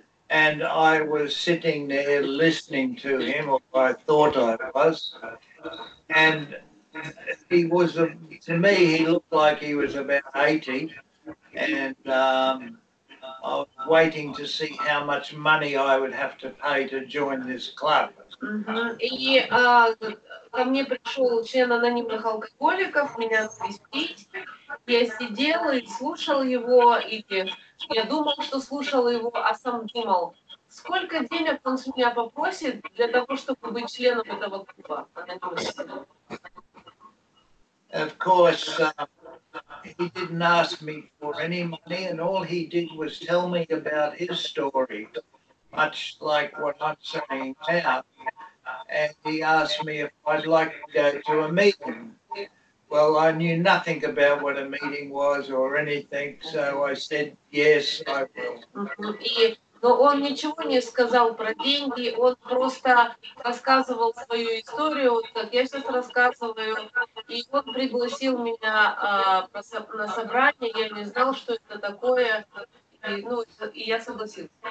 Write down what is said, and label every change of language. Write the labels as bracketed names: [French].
[English] And I was sitting there listening to him, or I thought I was. And he was, to me, he looked like he was about 80. And I was waiting to see how much money I would have to pay to join this club. Mm-hmm. [Russian] И ко мне пришел член анонимных алкоголиков, меня спросить. Я сидел и слушал его, и я думал, что слушал его, а сам думал, сколько денег он с меня попросит для того, чтобы быть членом этого клуба. [English] Of course, he didn't ask me for any money, and all he did was tell me about his story, much like what I'm saying now. And he asked me if I'd like to go to a meeting. Well, I knew nothing about what a meeting was or anything, so I said, yes, I will. [Russian] Но он ничего не сказал про деньги, он просто рассказывал свою историю, вот как я сейчас рассказываю, и он пригласил меня на собрание, я не знал, что это такое, и я согласился.